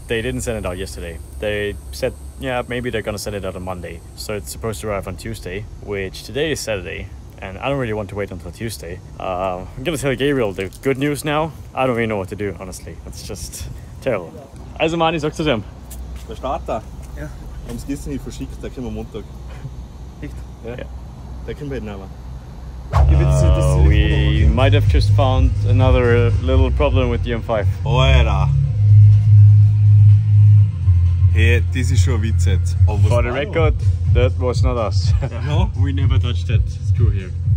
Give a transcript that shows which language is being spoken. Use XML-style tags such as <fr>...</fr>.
<en>They didn't send it out yesterday. They said, yeah, maybe they're gonna send it out on Monday. So it's supposed to arrive on Tuesday, which today is Saturday, and I don't really want to wait until Tuesday. I'm gonna tell Gabriel the good news now. I don't really know what to do, honestly. It's just terrible.</en> <de>Also, Mani, sagst du dem? Der Starter? Ja. Wir haben es gestern hier verschickt, der kommt am Montag. Echt? Ja. Ja. Der kommt heute nachher.</de> <en>We might have just found another little problem with the M5.</en> <de>Alter!</de> <en>Hey, this is</en> <de>schon witz jetzt.</de> <en>For the record, that was not us. No, we never touched that screw here.</en>